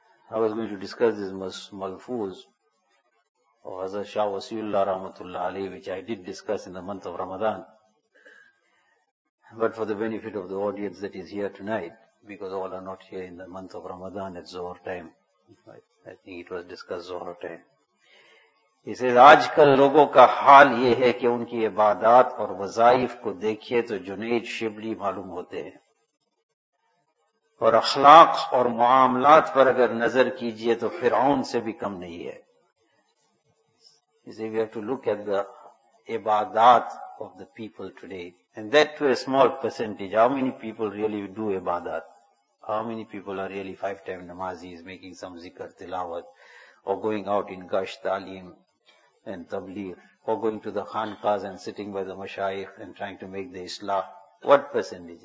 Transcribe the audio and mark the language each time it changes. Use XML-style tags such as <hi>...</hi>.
<en>I was going to discuss this malfuz of Hazrat Shah Wasiullah Rahmatullah Ali, which I did discuss in the month of Ramadan. But for the benefit of the audience that is here tonight, because all are not here in the month of Ramadan at Zohar time. I think it was discussed Zohar time. He says,</en> <ur>آج کل لوگوں کا حال یہ ہے کہ ان کی عبادات اور وظائف کو دیکھئے تو جنید شبلی معلوم ہوتے ہیں اور اخلاق اور معاملات پر اگر نظر کیجئے تو فرعون سے بھی کم نہیں ہے.</ur> <en>He says, we have to look at the عبادات of the people today, and that to a small percentage. How many people really do عبادات? How many people are really 5-time namazis, making some zikr, tilawat, or going out in gush, talim, and tabligh, or going to the khanqahs and sitting by the mashayikh and trying to make the islah? What percentage?</en>